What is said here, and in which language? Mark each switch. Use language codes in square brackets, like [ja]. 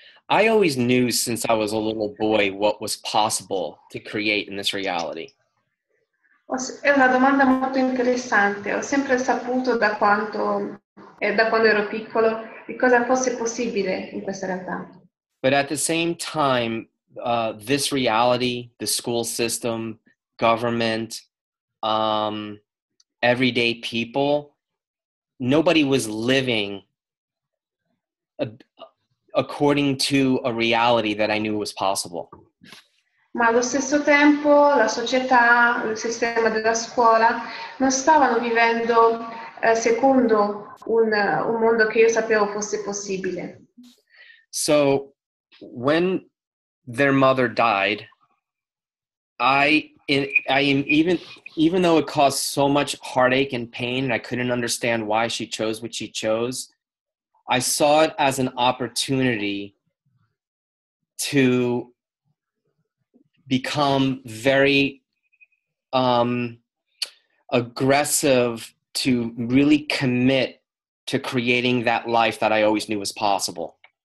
[en] I always knew since I was a little boy what was possible to create in this reality. [it] È una domanda molto interessante. Ho sempre saputo da quando ero piccolo di cosa fosse possibile in questa realtà. [en] But at the same time, this reality, the school system, government, everyday people, nobody was living according to a reality that I knew was possible. [it] Ma allo stesso tempo, la società, il sistema della scuola, non stavano vivendo secondo un mondo che io sapevo fosse possibile. [en] So, when their mother died, even though it caused so much heartache and pain, and I couldn't understand why she chose what she chose, I saw it as an opportunity to become very aggressive, to really commit to creating that life that I always knew was possible.